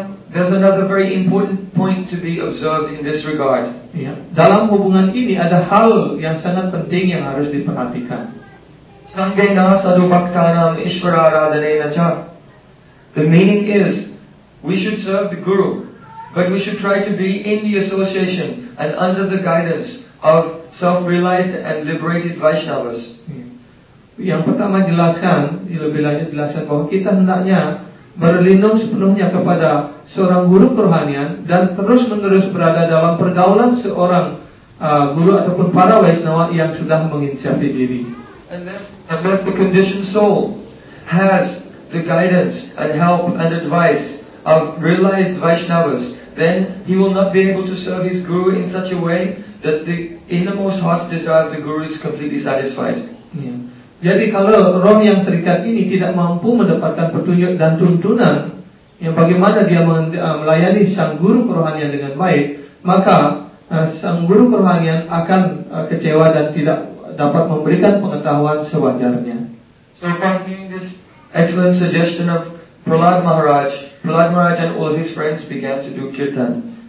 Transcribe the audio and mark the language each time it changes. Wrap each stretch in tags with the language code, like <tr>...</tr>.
<en>There's another very important point to be observed in this regard.</en> <id>Ya, dalam hubungan ini ada hal yang sangat penting yang harus diperhatikan.</id> <sa>Sangena sadu bhaktanam ishvara radhanena cha.</sa> <en>The meaning is, we should serve the Guru, but we should try to be in the association and under the guidance of self-realized and liberated Vaishnavas.</en> <id>Yang pertama jelaskan, lebih lanjut jelaskan bahwa kita hendaknya berlindung sepenuhnya kepada seorang guru kerohanian dan terus-menerus berada dalam pergaulan seorang guru ataupun para Vaishnava yang sudah menginsyafi diri.</id> <en>Unless the conditioned soul has the guidance and help and advice of realized Vaishnavas, then he will not be able to serve his guru in such a way that the innermost heart's desire of the guru is completely satisfied. Yeah.</en> <id>Jadi kalau roh yang terikat ini tidak mampu mendapatkan petunjuk dan tuntunan yang bagaimana dia melayani sang guru kerohanian dengan baik, maka sang guru kerohanian akan kecewa dan tidak dapat memberikan pengetahuan sewajarnya.</id> <en>So finding this excellent suggestion of Prahlad Maharaj, Prahlad Maharaj and all his friends began to do kirtan.</en>